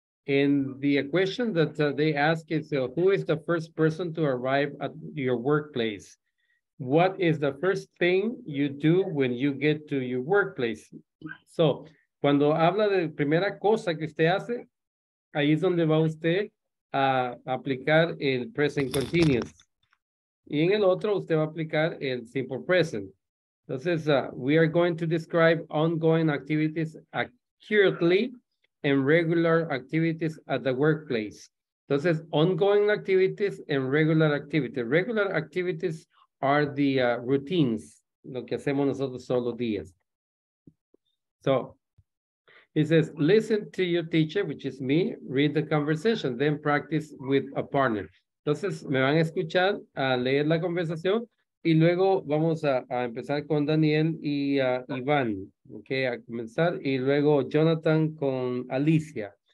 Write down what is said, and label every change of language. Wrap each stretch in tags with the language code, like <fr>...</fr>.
<en>And the question that they ask is, who is the first person to arrive at your workplace? What is the first thing you do when you get to your workplace?</en> <es>So, cuando habla de primera cosa que usted hace, ahí es donde va usted a aplicar el present continuous. Y en el otro, usted va a aplicar el simple present.</es> <en>Entonces, we are going to describe ongoing activities accurately and regular activities at the workplace. Entonces, ongoing activities and regular activities. Regular activities are the routines,</en> <es>lo que hacemos nosotros todos los días.</es> <en>So, it says, listen to your teacher, which is me, read the conversation, then practice with a partner.</en> <es>Entonces, me van a escuchar a leer la conversación y luego vamos a empezar con Daniel y Iván, okay, a comenzar, y luego Jonathan con Alicia.</es>